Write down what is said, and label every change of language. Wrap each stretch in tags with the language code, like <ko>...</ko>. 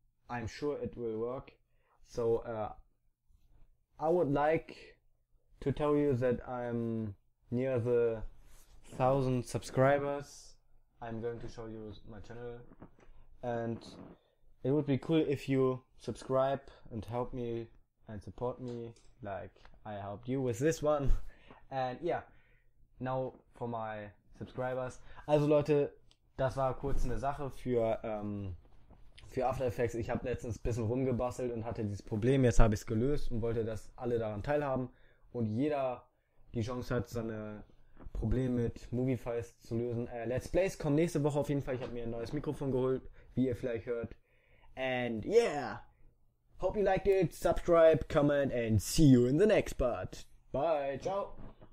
<en>I'm sure it will work. So I would like to tell you that I'm near the 1,000 subscribers. I'm going to show you my channel, and it would be cool if you subscribe and help me and support me like I helped you with this one. And yeah, now for my subscribers.</en> <de>Also Leute, das war kurz eine Sache für After Effects. Ich habe letztens ein bisschen rumgebastelt und hatte dieses Problem. Jetzt habe ich es gelöst und wollte, dass alle daran teilhaben und jeder die Chance hat, seine Probleme mit Moviefiles zu lösen. Let's Plays kommen nächste Woche auf jeden Fall. Ich habe mir ein neues Mikrofon geholt, wie ihr vielleicht hört.</de> <en>And yeah, hope you liked it, subscribe, comment and see you in the next part. Bye, ciao.</en>